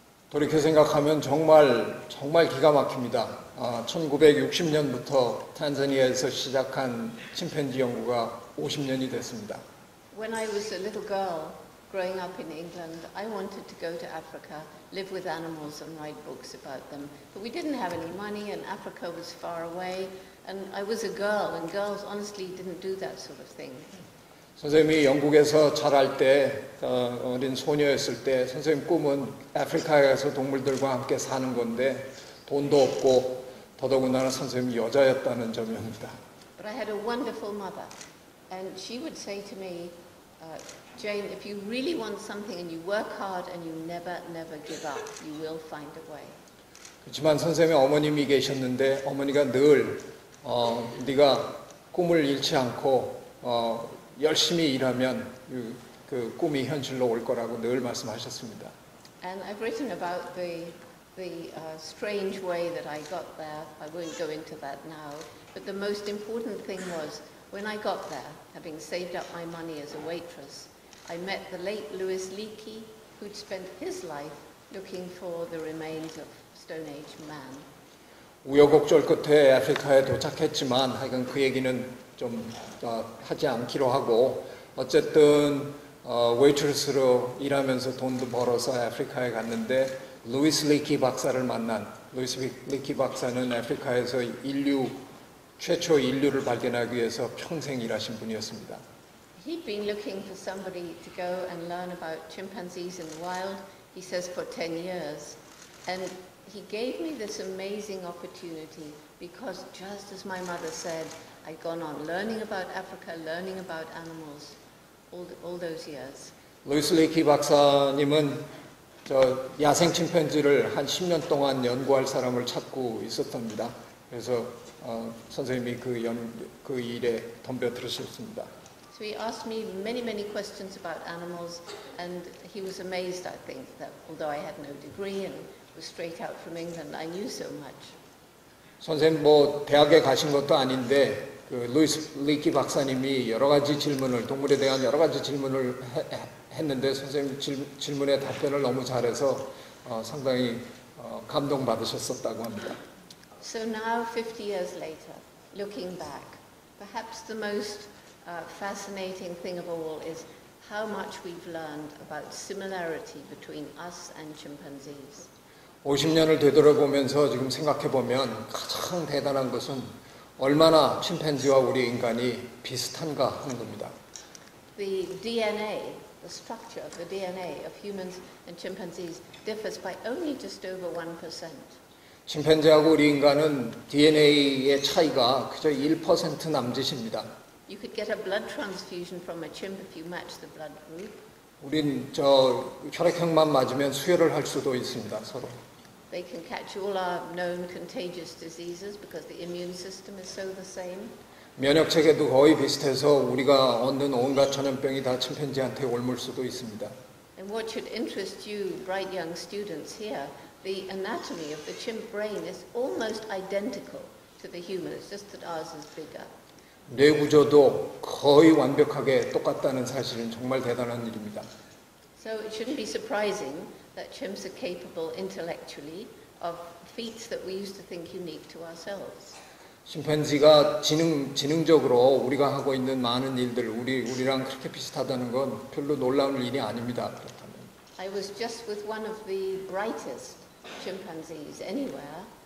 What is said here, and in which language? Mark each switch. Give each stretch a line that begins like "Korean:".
Korean: 돌이켜 생각하면 정말 기가 막힙니다. 1960년부터 탄자니아에서 시작한 침팬지 연구가 50년이 됐습니다.
English: When I was a little girl growing up in England, I wanted to go to Africa, live with animals and write books about them. But we didn't have any money and Africa was far away. And I was a girl and girls honestly didn't do that sort of thing.
Korean: 선생님이 영국에서 자랄 때 어린 소녀였을 때 선생님 꿈은 아프리카에 가서 동물들과 함께 사는 건데 돈도 없고 더더군다나 선생님이 여자였다는 점입니다.
English: But I had a wonderful mother and she would say to me Jane, if you really want something and you work hard and you never never give up, you will find a way.
Korean: 그렇지만 선생님의 어머님이 계셨는데 어머니가 늘 네가 꿈을 잃지 않고 열심히 일하면 그 꿈이 현실로 올 거라고 늘 말씀하셨습니다.
English: And I've written about the strange way that I got there. I won't go into that now. But the most important thing was when I got there, having saved up my money as a waitress, I met the late Louis Leakey, who'd spent his life looking for the remains of Stone Age man.
Korean: 우여곡절 끝에 아프리카에 도착했지만 하여간 그 얘기는 좀 하지 않기로 하고 어쨌든 웨이트러스로 일하면서 돈도 벌어서 아프리카에 갔는데 루이스 리키 박사를 만난 루이스 리키 박사는 아프리카에서 인류 최초 인류를 발견하기 위해서 평생 일하신 분이었습니다.
English: He'd been looking for somebody to go and learn about chimpanzees in the wild. He says for 10 years and He gave me this amazing opportunity because just as my mother said, I'd gone on learning about Africa, learning about animals all those years.
Korean: 루이스 리키 박사님은 저 야생 침팬지를 한 10년 동안 연구할 사람을 찾고 있었답니다. 그래서 선생님이 그 일에 덤벼들었습니다.
English: So he asked me many, many questions about animals and he was amazed, I think, that although I had no degree and was straight out from England. I knew so much.
Korean: 선생님 뭐 대학에 가신 것도 아닌데 그 루이스 리키 박사님이 여러 가지 질문을 동물에 대한 여러 가지 질문을 했는데 선생님 질문에 답변을 너무 잘해서 상당히 감동받으셨었다고 합니다.
English: So now 50 years later, looking back, perhaps the most fascinating thing of all is how much we've learned about similarity between us and chimpanzees.
Korean: 50년을 되돌아보면서 지금 생각해보면 가장 대단한 것은 얼마나 침팬지와 우리 인간이 비슷한가 하는 겁니다.
English: The DNA, the structure of the DNA of humans and chimpanzees differs by only just over 1%.
Korean: 침팬지하고 우리 인간은 DNA의 차이가 그저 1% 남짓입니다.
English: You could get a blood transfusion from a chimp if you match the blood group.
Korean: 우린 저 혈액형만 맞으면 수혈을 할 수도 있습니다, 서로.
English: They can catch all our known contagious diseases because the immune system is so the same.
Korean: 면역 체계도 거의 비슷해서 우리가 얻는 온갖 전염병이 다 침팬지한테 옮을 수도 있습니다.
English: And what should interest you, bright young students here, the anatomy of the chimp brain is almost identical to the human, it's just that ours is bigger.
Korean: 뇌 구조도 거의 완벽하게 똑같다는 사실은 정말 대단한 일입니다.
English: So it shouldn't be surprising that chimps are capable intellectually of feats that we used to think unique to ourselves.
Korean: 침팬지가 지능적으로 우리가 하고 있는 많은 일들 우리랑 그렇게 비슷하다는 건 별로 놀라운 일이 아닙니다. 그렇다면.
English: I was just with one of the brightest chimpanzees anywhere.